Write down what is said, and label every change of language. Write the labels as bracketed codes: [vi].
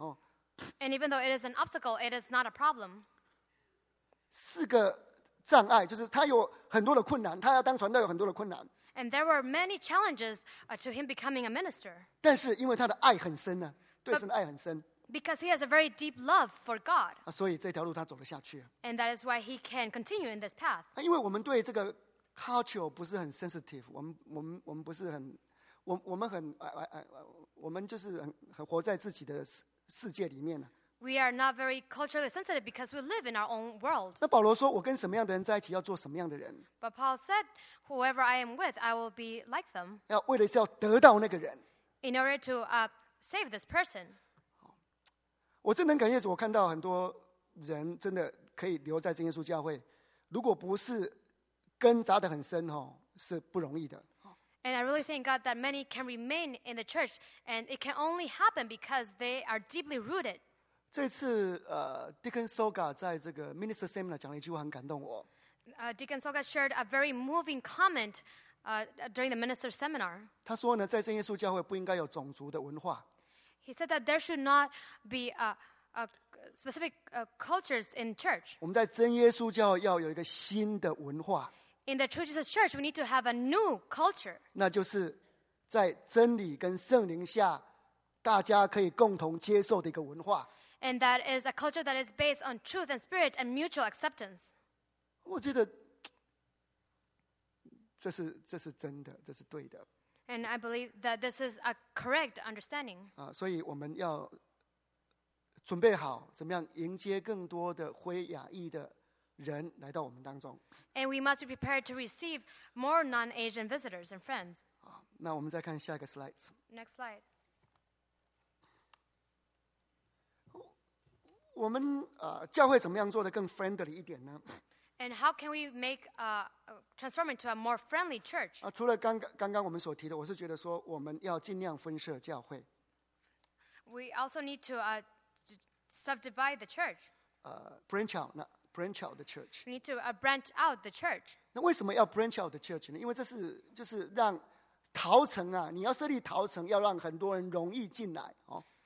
[zh] 哦。 [en] And even though it is an obstacle, it is not a problem. [zh] 是个障碍，就是他有很多的困难，他要当传道有很多的困难。 [en] And there were many challenges to him becoming a minister. [zh] 但是因为他的爱很深呢，对神的爱很深。 [en] Because he has a very deep love for God. [zh] 所以这条路他走得下去。 [en] And that is why he can continue in this path. [zh] 因为我们对这个culture 不是很 sensitive， 我们不是很，我们很，我们就是很活在自己的世界里面呢。 [en] We are not very culturally sensitive because we live in our own world. [zh] 那保罗说，我跟什么样的人在一起，要做什么样的人 [en] ？But Paul said, whoever I am with, I will be like them. [zh] 要为了是要得到那个人。 [en] In order to save this person. [zh] 我真的很感谢主，我看到很多人真的可以留在真耶稣教会，如果不是根扎得很深是不容易的。 [en] And I really thank God that many can remain in the church, and it can only happen because they are deeply rooted. [zh] 这次Deacon Soga 在这个 Minister Seminar 讲了一句话，很感动我。 [en] Deacon Soga shared a very moving comment during the Minister Seminar. [zh] 他说呢，在真耶稣教会不应该有种族的文化。 [en] He said that there should not be a specific cultures in church. [zh] 我们在真耶稣教要有一个新的文化。 [en] In the True Jesus Church, we need to have a new culture. [zh] 那就是在真理跟圣灵下，大家可以共同接受的一个文化。 [en] And that is a culture that is based on truth and spirit and mutual acceptance. [zh] 我觉得这是真的，这是对的。 [en] And I believe that this is a correct understanding. [zh] 所以我们要准备好怎么样迎接更多的非亚裔的人来到我们当中。 [en] And we must be prepared to receive more non-Asian visitors and friends. [zh] 那我们再看下一个 slides. [en] Next slide. [zh] 我们教会怎么样做得更 friendly 一点呢？ [en] And how can we make transform into a more friendly church? [zh] 除了刚刚我们所提的，我是觉得说我们要尽量分设教会。 [en] We also need to subdivide the church. Branch out the church. We need to branch out the church. [zh] 那为什么要 [en] branch out the church [zh] 呢？因为这是就是让桃城啊，你要设立桃城，要让很多人容易进来哦。